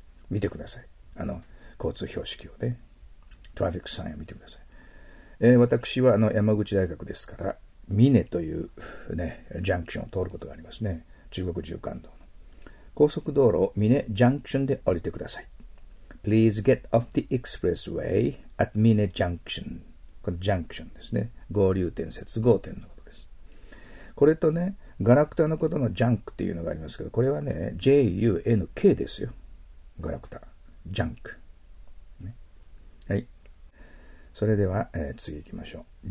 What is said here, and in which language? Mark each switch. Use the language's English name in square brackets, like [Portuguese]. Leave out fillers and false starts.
[Japanese] 見てください、交通標識をね、トラフィックサインを見てください。私は山口大学ですから、峰という、ね、ジャンクションを通ることがありますね。中国縦貫道の高速道路を峰ジャンクションで降りてください。 [English] Please get off the expressway at Mine Junction. [Japanese] このジャンクションですね。合流点、接合点のことです。これとね、ガラクタのことのジャンクっていうのがありますけど、これはね、JUNK ですよ。ガラクタ。ジャンク。ね、はい。それでは、次行きましょう。